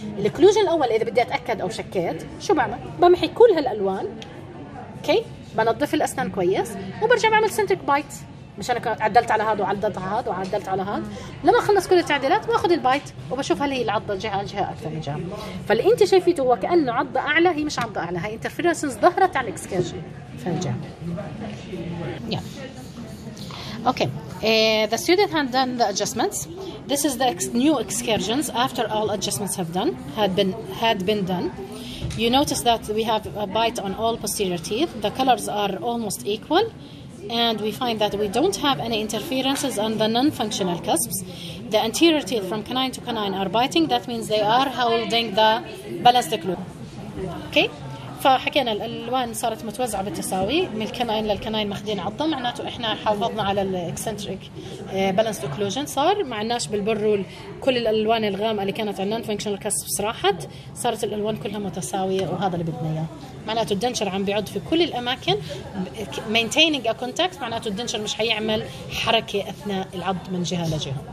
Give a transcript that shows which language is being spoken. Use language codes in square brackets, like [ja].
[ar] الاوكلوجن الاول اذا بدي اتاكد او شكيت شو بعمل؟ بمحي كل هالالوان اوكي، بنظف الاسنان كويس وبرجع بعمل سنتريك بايت، مش انا عدلت على هذا وعدلت على هذا وعدلت على هذا، لما اخلص كل التعديلات باخذ البايت وبشوف هل هي العضه جهه عن جهه اكثر من جهه. فاللي انت شايفيته هو كانه عضه اعلى، هي مش عضه اعلى، هاي انترفيرنسز ظهرت على الاكسكيرجن فجاه. [en] Okay, the student had done the adjustments. This is the new excursions after all adjustments have done had been done. You notice that we have a bite on all posterior teeth. The colors are almost equal, and we find that we don't have any interferences on the non-functional cusps. The anterior teeth from canine to canine are biting. That means they are holding the balanced occlusion. Okay. [ar] فحكينا الالوان صارت متوزعه بالتساوي من الكناين للكناين ماخذين عضه، معناته احنا حافظنا على الاكسنتريك بالانسد اوكلوجن، صار ما عندناش بالبرول كل الالوان الغامقه اللي كانت عندنا فانكشنال كاسب صراحت، صارت الالوان كلها متساويه وهذا اللي بدنا اياه، معناته الدنشر عم بيعض في كل الاماكن مينتيننج ا كونتاكت، معناته الدنشر مش حيعمل حركه اثناء العض من جهه لجهه.